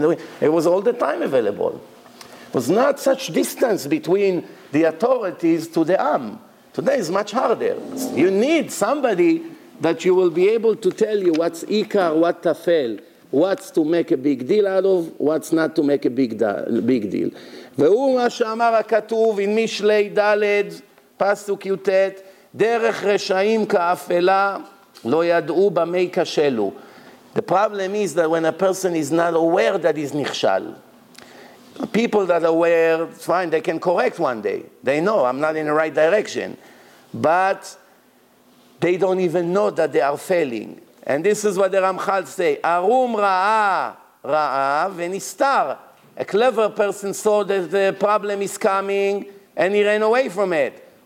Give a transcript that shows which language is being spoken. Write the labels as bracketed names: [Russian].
[English] It was all the time available. There was not such distance between the authorities to the Am. Today is much harder. You need somebody that you will be able to tell you what's Ikar, what Tafel, what's to make a big deal out of, what's not to make a big deal. [Hebrew] והוא מה שאמר הכתוב עם משלי דלת, פסוק יוטט, דרך רשעים כאפלה לא ידעו במי כשלו. [English] The problem is that when a person is not aware that he's נכשל, people that are aware, it's fine, they can correct one day. They know I'm not in the right direction. But they don't even know that they are failing. And this is what the Ramchal say, [Hebrew] Arum ra'a ra'a v'nistar. [English] A clever person saw that the problem is coming and he ran away from it.